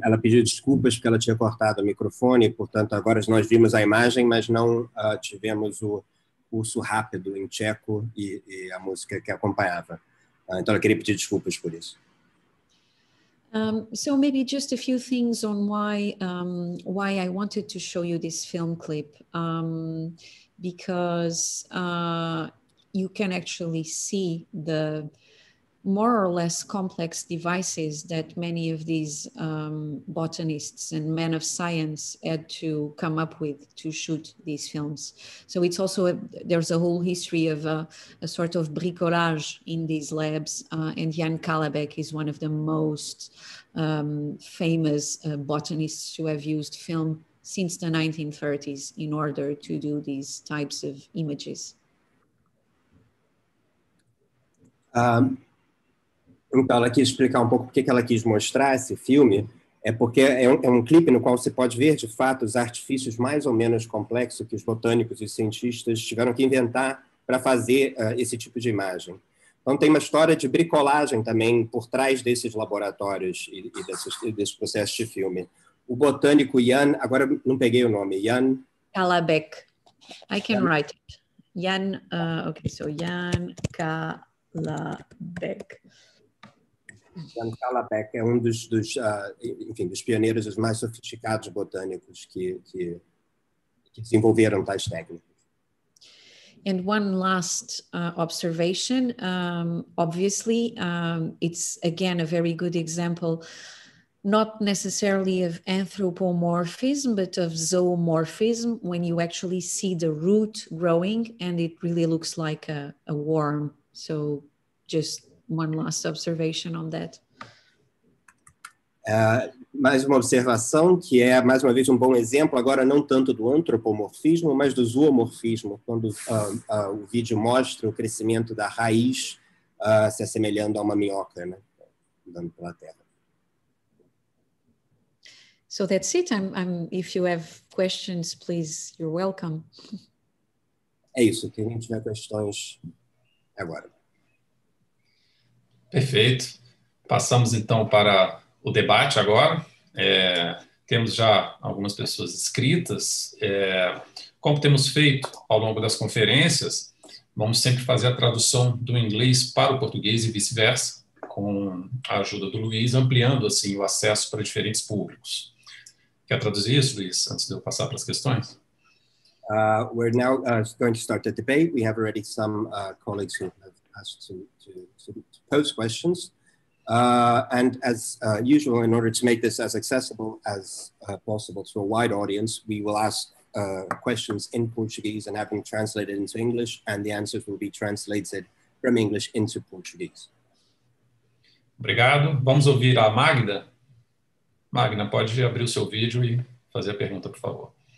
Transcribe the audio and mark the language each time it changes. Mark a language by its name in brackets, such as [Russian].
[Portuguese] Ela pediu desculpas porque ela tinha cortado o microfone, portanto, agora nós vimos a imagem, mas não tivemos o curso rápido em tcheco e a música que acompanhava. Então, ela queria pedir desculpas por isso. [English] So maybe just a few things on why I wanted to show you this film clip. Because you can actually see the more or less complex devices that many of these botanists and men of science had to come up with to shoot these films. So it's also, there's a whole history of a sort of bricolage in these labs, and Jan Kalabek is one of the most famous botanists to have used film since the 1930s in order to do these types of images. [Portuguese] Então, ela quis explicar um pouco por que ela quis mostrar esse filme. É porque é um clipe no qual você pode ver, de fato, os artifícios mais ou menos complexos que os botânicos e os cientistas tiveram que inventar para fazer esse tipo de imagem. Então, tem uma história de bricolagem também por trás desses laboratórios e desse processo de filme. O botânico Jan, agora não peguei o nome, Jan... [English] Kalabek. I can write it. Jan, ok, so Jan Kalabek. [Portuguese] Jan Kalabek é um dos pioneiros os mais sofisticados botânicos que desenvolveram tais técnicas. [English] And one last observation, obviously, it's again a very good example, not necessarily of anthropomorphism, but of zoomorphism, when you actually see the root growing and it really looks like a worm. So just one last observation on that. [Portuguese] Mais uma observação que é, mais uma vez, um bom exemplo, agora não tanto do antropomorfismo, mas do zoomorfismo, quando o vídeo mostra o crescimento da raiz se assemelhando a uma minhoca, né, andando pela terra. [English] So that's it. I'm, if you have questions, please, you're welcome. [Portuguese] É isso, quem tiver questões, agora. Perfeito. Passamos, então, para... o debate agora, temos já algumas pessoas inscritas, como temos feito ao longo das conferências, vamos sempre fazer a tradução do inglês para o português e vice-versa, com a ajuda do Luiz, ampliando assim o acesso para diferentes públicos. Quer traduzir isso, Luiz, antes de eu passar para as questões? [English] We're now going to start the debate. We have already some colleagues who have asked to pose questions. And as usual, in order to make this as accessible as possible to a wide audience, we will ask questions in Portuguese and have them translated into English, and the answers will be translated from English into Portuguese. [Portuguese] Obrigado. Vamos ouvir a Magda. Magda, pode abrir o seu vídeo e fazer a pergunta, por favor.